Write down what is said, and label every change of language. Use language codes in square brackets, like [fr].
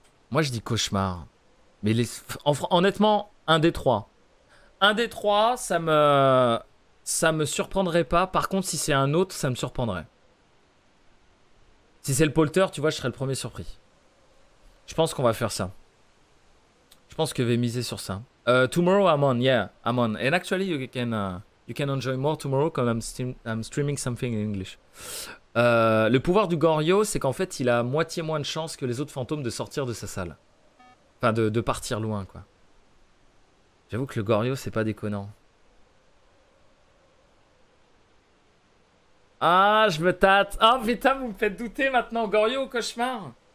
[fr] Moi, je dis cauchemar. Mais les... honnêtement, un des trois. Un des trois, ça me surprendrait pas. Par contre, si c'est un autre, ça me surprendrait. Si c'est le Polter, tu vois, je serais le premier surpris. Je pense qu'on va faire ça. Je pense que je vais miser sur ça. [en] Tomorrow, I'm on. Yeah, I'm on. And actually, you can enjoy more tomorrow because I'm streaming something in English. [fr] Le pouvoir du Goriot, c'est qu'en fait, il a moitié moins de chances que les autres fantômes de sortir de sa salle. Enfin, de partir loin, quoi. J'avoue que le Goriot, c'est pas déconnant. Ah, je me tâte. Oh, putain, vous me faites douter maintenant. Goriot au cauchemar.